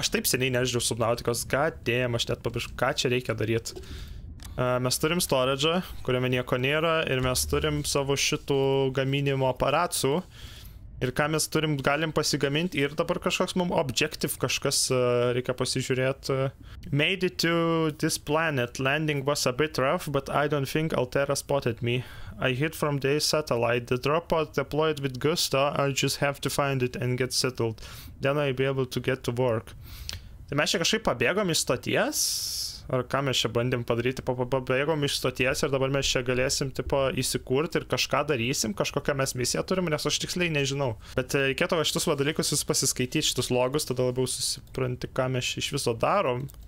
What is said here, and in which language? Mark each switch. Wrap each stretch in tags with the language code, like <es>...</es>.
<lt>Aš taip seniai nežiūrėjau subnautikos. Goddamn, aš net pabiršku, ką čia reikia daryti. Mes turim storage'ą, kuriame nieko nėra, ir mes turim savo šitų gaminimo aparatų. Ir ką mes turim, galim pasigaminti, ir dabar kažkoks mums objective kažkas reikia pasižiūrėti.</lt> <en>Made it to this planet, landing was a bit rough, but I don't think Altera spotted me. I hit from the satellite, the drop pod deployed with gusto, I just have to find it and get settled. Then I'll be able to get to work.</en> <lt>Tai mes čia kažkaip pabėgom iš stoties? Ar ką mes čia bandėm padaryti, pabėgom iš stoties ir dabar mes čia galėsim tipo įsikurti ir kažką darysim, kažkokią mes misiją turim, nes aš tiksliai nežinau. Bet reikėtų va šitus va dalykus vis pasiskaityti, šitus logus, tada labiau susipranti, ką mes iš viso darom.</lt>